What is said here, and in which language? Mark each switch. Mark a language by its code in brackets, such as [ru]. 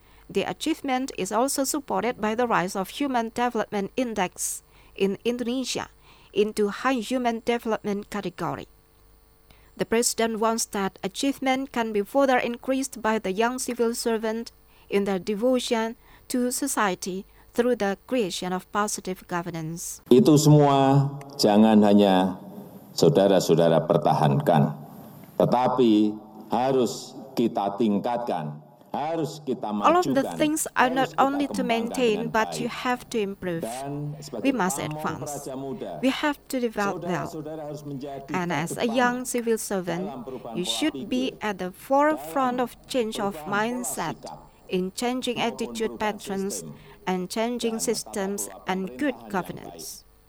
[en] The achievement is also supported by the rise of Human Development Index in Indonesia into high human development category. The president wants that achievement can be further increased by the young civil servant in their devotion to society through the creation of positive governance. [id] Itu semua jangan hanya saudara-saudara pertahankan, tetapi harus kita tingkatkan, harus kita majukan. [en] All of the things are not only to maintain, but you have to improve. We must advance. We have to develop well. And as a young civil servant, you should be at the forefront of change of mindset in changing attitude patterns and changing systems and good governance.